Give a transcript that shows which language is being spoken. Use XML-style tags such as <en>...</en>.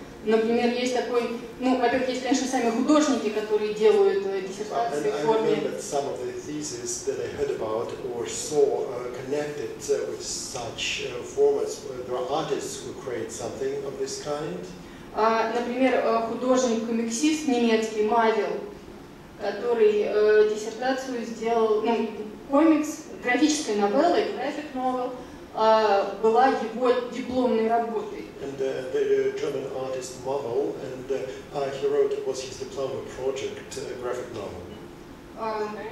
<ru>Например, есть такой, во-первых, есть, конечно, сами художники, которые делают диссертации в форме.</ru> <en>I remember some of the thesis that I heard about or saw connected with such formats. There are artists who create something of this kind.</en> <ru>Например, художник-комиксист немецкий Мавел, который диссертацию сделал, комикс, графическая новелла, graphic novel, была его дипломной работой.</ru> <en>And the German artist Marvel, and he wrote, was his diploma project, a graphic novel.</en>